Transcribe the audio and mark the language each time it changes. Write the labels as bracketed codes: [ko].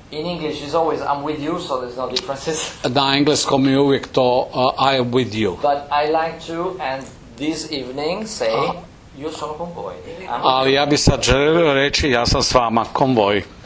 [en] In English is always I'm with you, so there's no differences. [hr] Na engleskom je uvijek to [en] I am with you. But I like to and this evening say [it] Io sono con voi. [hr] Ali ja bi sad želio reći ja sam s vama, konvoj.